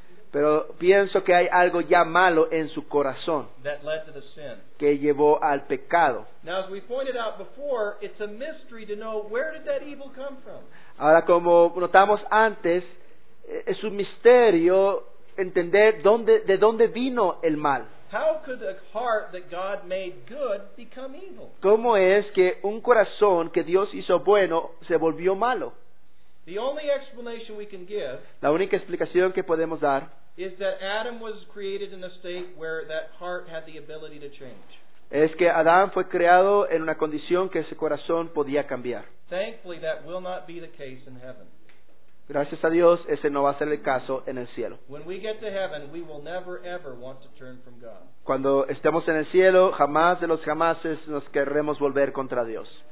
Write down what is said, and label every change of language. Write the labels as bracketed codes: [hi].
[es] Pero pienso que hay algo ya malo en su corazón [en] that led to the sin, [es] que llevó al pecado. [en] Now, as we pointed out before, it's a mystery to know where did that evil come from. [es] Ahora, como notamos antes, es un misterio entender de dónde vino el mal. [en] How could a heart that God made good become evil? [es] ¿Cómo es que un corazón que Dios hizo bueno se volvió malo? [en] The only explanation we can give, [es] la única explicación que podemos dar, [en] is that Adam was created in a state where that heart had the ability to change. [es] Es que Adán fue creado en una condición que ese corazón podía cambiar. [en] Thankfully, that will not be the case in heaven. [es] Gracias a Dios, ese no va a ser el caso en el cielo. [en] When we get to heaven, we will never ever want to turn from God. [es] Cuando estemos en el cielo, jamás de los jamases nos querremos volver contra Dios.